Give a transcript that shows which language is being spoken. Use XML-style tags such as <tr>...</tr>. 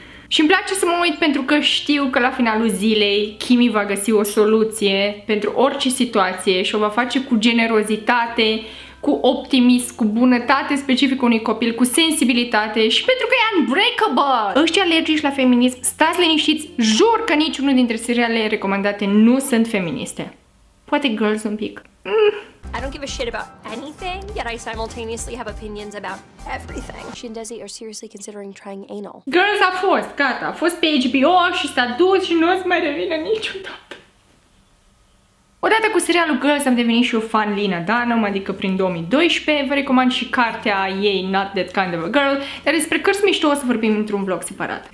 <ro>Și îmi place să mă uit pentru că știu că la finalul zilei Kimi va găsi o soluție pentru orice situație și o va face cu generozitate, cu optimism, cu bunătate specifică unui copil, cu sensibilitate și pentru că e unbreakable! Ăștia alergici la feminism, stați liniștiți, jur că nici unul dintre serialele recomandate nu sunt feministe. Poate Girls un pic.</ro> <en>I don't give a shit about anything, yet I simultaneously have opinions about everything. She and Desi are seriously considering trying anal.</en> <ro>Girls a fost, gata, a fost pe HBO și s-a dus și nu o să mai revină niciodată. Odată cu serialul Girls am devenit și eu fan Lena Dunham, adică prin 2012. Vă recomand și cartea ei, Not That Kind of a Girl, dar despre cărți mișto o să vorbim într-un vlog separat.</ro>